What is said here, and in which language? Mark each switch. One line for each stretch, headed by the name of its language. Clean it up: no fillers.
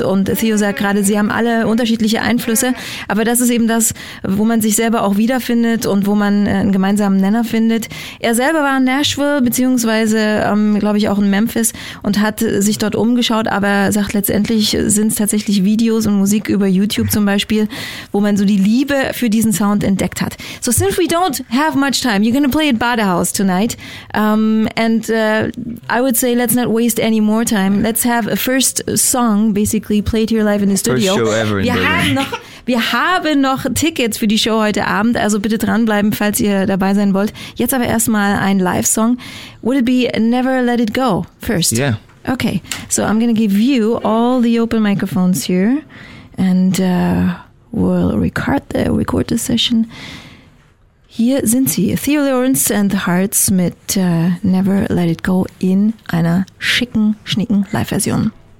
German: Und Theo sagt gerade, Sie haben alle unterschiedliche Einflüsse, aber das ist eben das, wo man sich selber auch wiederfindet und wo man einen gemeinsamen Nenner findet. Er selber war in Nashville, beziehungsweise glaube ich auch in Memphis und hat sich dort umgeschaut, aber sagt letztendlich, sind es tatsächlich Videos und Musik über YouTube zum Beispiel, wo man so die Liebe für diesen Sound entdeckt hat.
English: So since we don't have much time, you're going to play at Badehaus tonight. I would say let's not waste any more time. Let's have a first song basically played here live in the studio. First show ever in Berlin.
German: Wir haben noch Tickets für die Show heute Abend, also bitte dranbleiben, falls ihr dabei sein wollt. Jetzt aber erstmal ein Live-Song.
English: Would it be Never Let It Go first? Yeah. Okay, so I'm going to give you all the open microphones here and... we'll record the session.
German: Hier sind sie, Theo Lawrence and the Hearts mit Never Let It Go in einer schnicken Live-Version.